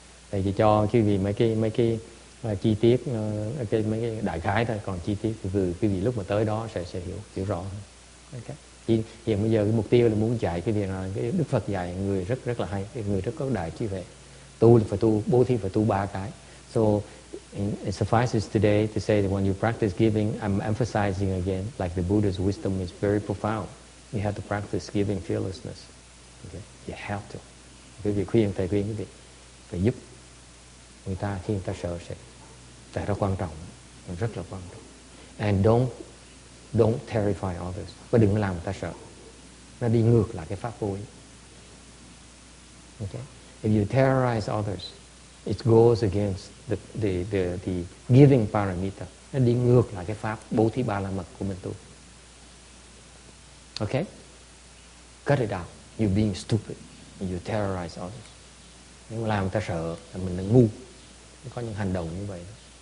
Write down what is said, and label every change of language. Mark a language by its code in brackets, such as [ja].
[vi] Tại vì cho quý vị mấy cái chi tiết, mấy cái đại khái thôi. Còn chi tiết thì quý vị lúc mà tới đó sẽ hiểu rõ hơn. Okay. Hiện bây giờ cái mục tiêu là muốn dạy cái việc là cái Đức Phật dạy người rất rất là hay, người rất có đại trí huệ. Tu là phải tu, bố thí phải tu ba cái. [en] So it suffices today to say that when you practice giving, I'm emphasizing again, like the Buddha's wisdom is very profound. You have to practice giving fearlessness. Okay? You have to. [vi] Quý vị khuyên, thầy khuyên quý vị, phải giúp người ta khi người ta sợ sệt. Tại đó quan trọng, rất là quan trọng. [en] And don't terrify others. [vi] Và đừng làm người ta sợ. Nó đi ngược lại cái pháp vô ý. Okay? [en] If you terrorize others, it goes against the giving parameter. [vi] Nó đi ngược lại cái pháp bố thí ba la mật của mình tu. [en] Okay? Cut it out. You're being stupid. You terrorize others. [vi] Nếu mà làm người ta sợ, là mình là ngu. Có những hành động như vậy đó.